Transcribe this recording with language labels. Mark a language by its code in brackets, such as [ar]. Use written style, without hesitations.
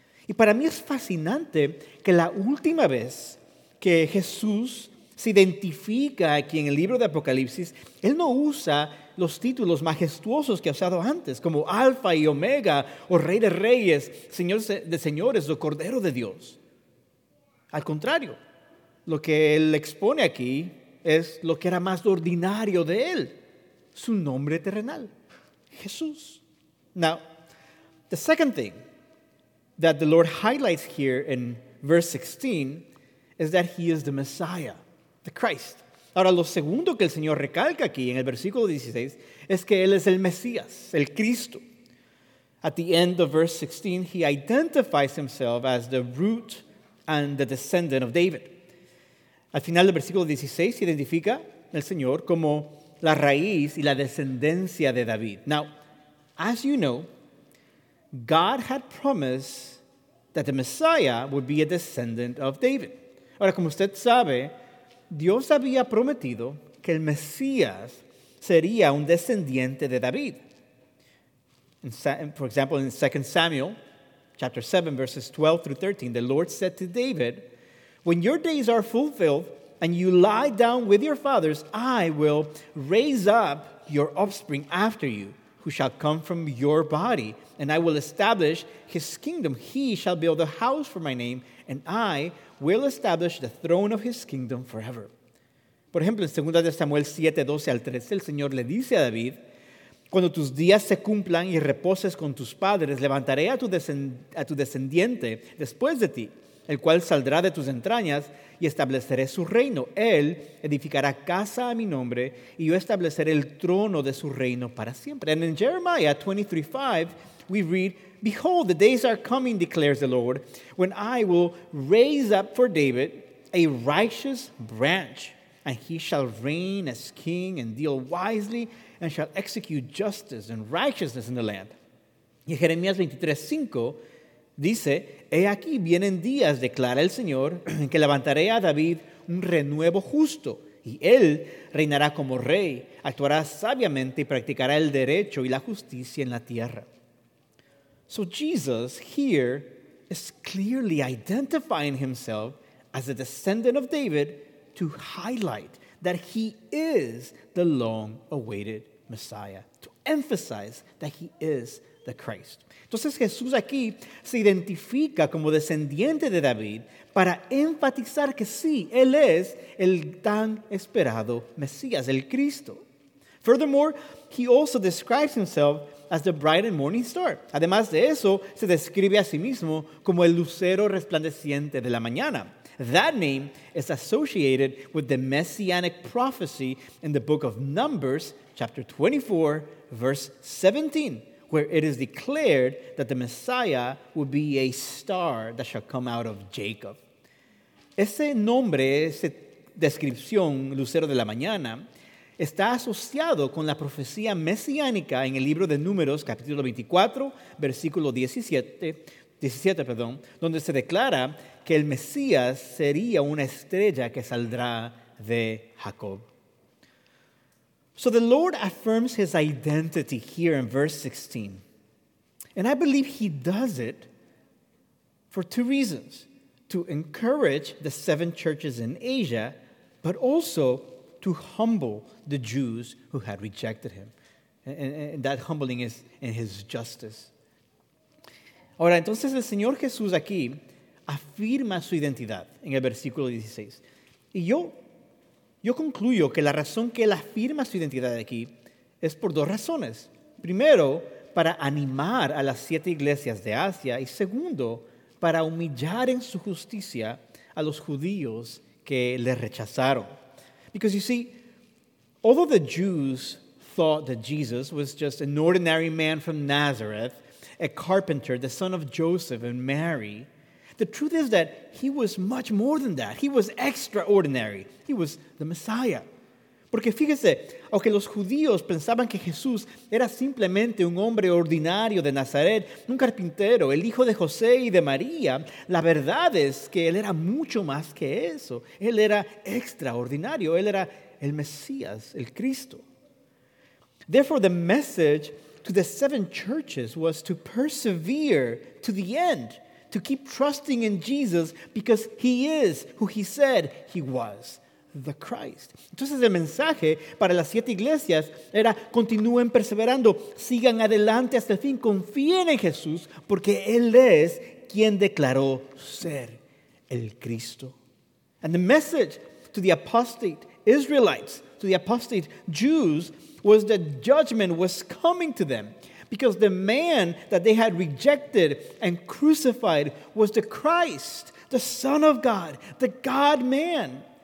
[es] Y para mí es fascinante que la última vez que Jesús se identifica aquí en el libro de Apocalipsis, él no usa los títulos majestuosos que ha usado antes, como Alfa y Omega, o Rey de Reyes, Señor de Señores, o Cordero de Dios. Al contrario, lo que él expone aquí es lo que era más ordinario de él, su nombre terrenal, Jesús. [en] Now, the second thing that the Lord highlights here in verse 16 is that he is the Messiah, the Christ. [es] Ahora, lo segundo que el Señor recalca aquí en el versículo 16 es que él es el Mesías, el Cristo. [en] At the end of verse 16, he identifies himself as the root and the descendant of David. [es] Al final del versículo 16, se identifica el Señor como la raíz y la descendencia de David. [en] Now, as you know, God had promised that the Messiah would be a descendant of David. [es] Ahora, como usted sabe, Dios había prometido que el Mesías sería un descendiente de David. [en] For example, in 2 Samuel chapter 7, verses 12 through 13, the Lord said to David, "When your days are fulfilled and you lie down with your fathers, I will raise up your offspring after you, who shall come from your body, and I will establish his kingdom. He shall build a house for my name, and I will establish the throne of his kingdom forever. [es] Por ejemplo, en 2 Samuel 7, 12 al 13, el Señor le dice a David, cuando tus días se cumplan y reposes con tus padres, levantaré a tu descendiente después de ti, el cual saldrá de tus entrañas y estableceré su reino. Él edificará casa a mi nombre y yo estableceré el trono de su reino para siempre. [en] And in Jeremiah 23:5, we read, Behold, the days are coming, declares the Lord, when I will raise up for David a righteous branch, and he shall reign as king and deal wisely and shall execute justice and righteousness in the land. [es] Y Jeremías 23:5 dice, He aquí vienen días, declara el Señor, en que levantaré a David un renuevo justo, y él reinará como rey, actuará sabiamente y practicará el derecho y la justicia en la tierra. [en] So Jesus here is clearly identifying himself as a descendant of David to highlight that he is the long-awaited Messiah, to emphasize that he is the Christ. [es] Entonces Jesús aquí se identifica como descendiente de David para enfatizar que sí, él es el tan esperado Mesías, el Cristo. [en] Furthermore, he also describes himself as the bright and morning star. [es] Además de eso, se describe a sí mismo como el lucero resplandeciente de la mañana. [en] That name is associated with the messianic prophecy in the book of Numbers, chapter 24, verse 17, where it is declared that the Messiah will be a star that shall come out of Jacob. [es] Ese nombre, esa descripción, lucero de la mañana, está asociado con la profecía mesiánica en el libro de Números, capítulo 24, versículo 17, donde se declara que el Mesías sería una estrella que saldrá de Jacob. [en] So the Lord affirms his identity here in verse 16. And I believe he does it for two reasons. To encourage the seven churches in Asia, but also to humble the Jews who had rejected him. And that humbling is in his justice. [es] Ahora, entonces el Señor Jesús aquí afirma su identidad en el versículo 16. Y yo concluyo que la razón que él afirma su identidad aquí es por dos razones. Primero, para animar a las siete iglesias de Asia. Y segundo, para humillar en su justicia a los judíos que le rechazaron. [en] Because you see, although the Jews thought that Jesus was just an ordinary man from Nazareth, a carpenter, the son of Joseph and Mary, the truth is that he was much more than that. He was extraordinary. He was the Messiah. [es] Porque fíjese, aunque los judíos pensaban que Jesús era simplemente un hombre ordinario de Nazaret, un carpintero, el hijo de José y de María, la verdad es que él era mucho más que eso. Él era extraordinario. Él era el Mesías, el Cristo. [en] Therefore, the message to the seven churches was to persevere to the end, to keep trusting in Jesus because he is who he said he was, the Christ. [es] Entonces el mensaje para las siete iglesias era continúen perseverando, sigan adelante hasta el fin, confíen en Jesús porque él es quien declaró ser el Cristo. [en] And the message to the apostate Israelites, to the apostate Jews, was that judgment was coming to them. Because the man that they had rejected and crucified was the Christ, the Son of God, the God-man.